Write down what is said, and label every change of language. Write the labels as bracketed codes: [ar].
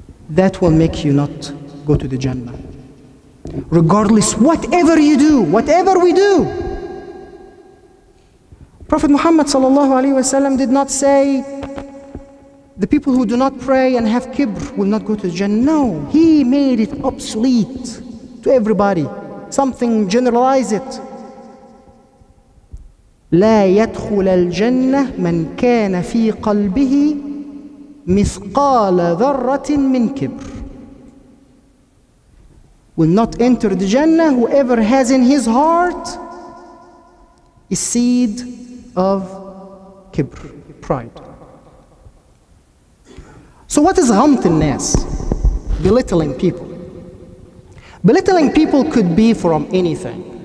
[en] That will make you not go to the Jannah. Regardless, whatever you do, whatever we do. Prophet Muhammad sallallahu alaihi wasallam did not say, the people who do not pray and have kibr will not go to Jannah. No, he made it obsolete to everybody. Something generalize it. [ar] لا يدخل الجنة من كان في قلبه مثقال ذرة من كبر. [en] Will not enter the Jannah whoever has in his heart a seed of kibr, pride. So what is ghamtinnas? Belittling people. Belittling people could be from anything.